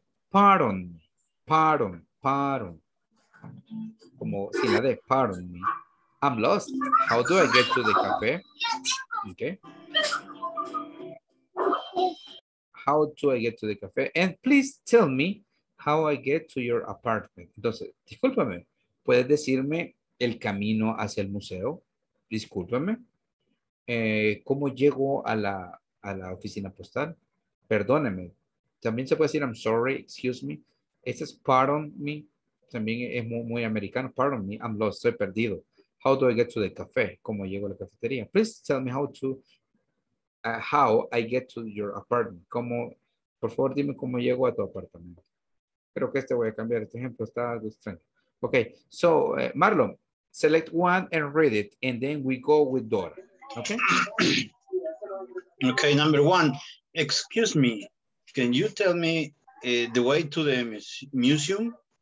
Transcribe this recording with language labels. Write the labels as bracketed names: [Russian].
[English] Pardon, [Spanish] como si la de, [English] pardon me, I'm lost. How do I get to the cafe? Okay. How do I get to the cafe? And please tell me how I get to your apartment. [Spanish] Entonces, discúlpame, ¿puedes decirme el camino hacia el museo? Discúlpame. ¿Cómo llego a la oficina postal? Perdóneme, también se puede decir [English] I'm sorry, excuse me. [Spanish] Este es pardon me. También es muy, muy americano. [English] Pardon me, I'm lost, [Spanish] estoy perdido. [English] How do I get to the cafe? [Spanish] ¿Cómo llego a la cafetería? [English] Please tell me how I get to your apartment. [Spanish] ¿Cómo, por favor, dime cómo llego a tu apartamento? Creo que este voy a cambiar. Este ejemplo está algo extraño. [English] Okay, so Marlon, select one and read it, and then we go with Dora. Okay. Okay, number one. Excuse me, can you tell me the way to the museum?